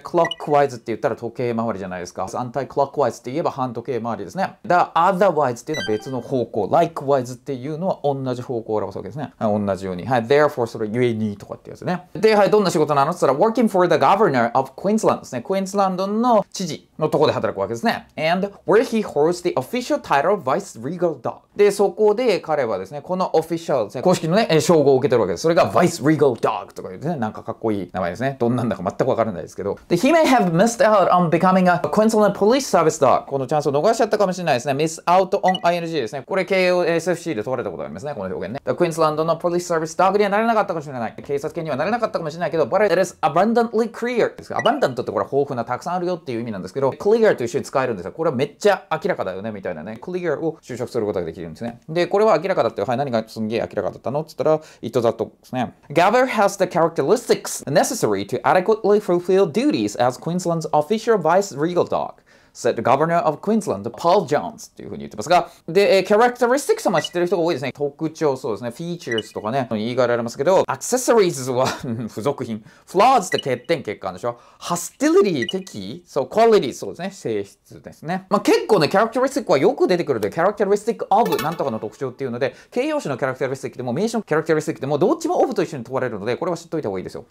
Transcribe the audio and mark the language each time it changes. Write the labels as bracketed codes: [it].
[ja] Clockwise って言ったら時計回りじゃないですか。Anti-clockwise って言えば反時計回りですね。だから Otherwise っていうのは別の方向。Likewise っていうのは同じ方向を表すわけですね。はい、同じように。はい、therefore それゆえにとかってやつね。で、はい、どんな仕事なのって言ったら、 [en] working for the governor of Queensland [ja] ですね。クイーンズランドの知事のとこで働くわけですね。 [en] and where he holds the official title vice regal dog。 [ja] で、そこで彼はですね、この official ですね、公式のね、称号を受けてるわけです。それが vice regal dog とか言うね、なんかかっこいい名前ですね。どんなんだか全くわからないですけど。 [en] で、he may have missed out on becoming a Queensland police service dog。 [ja] このチャンスを逃しちゃったかもしれないですね。 miss out on ing ですね。これ KOSFC で問われたことがありますね。この表現ね。クイーンズランドのポリスサービスダグにはなれなかったかもしれない。警察犬にはなれなかったかもしれないけど、 [en] but it is abundantly clear。 [ja] abundant ってこれ豊富な、たくさんあるよっていう意味なんですけど、clear と一緒に使えるんですよ。これはめっちゃ明らかだよねみたいなね。 clear を就職することができるんですね。で、これは明らかだって、はい、何がすんげえ明らかだったのって言ったら、it that ですね。 [en] Gavel has the characteristics necessary to adequately fulfill duties as Queensland's official vice regal dog. said governor of Queensland, [ja] Paul Jones っていう風に言ってますが、で、characteristics は知ってる人が多いですね。特徴、そうですね。 features とかね、言い換えられますけど、accessories は付属品。 flaws って欠点、欠陥でしょ。hostility 的、そう、quality、そうですね。性質ですね。まあ、結構ね、characteristic はよく出てくるので、characteristic of なんとかの特徴っていうので、形容詞の characteristic でも、名詞の characteristic でも、どっちも of と一緒に問われるので、これは知っておいた方がいいですよ。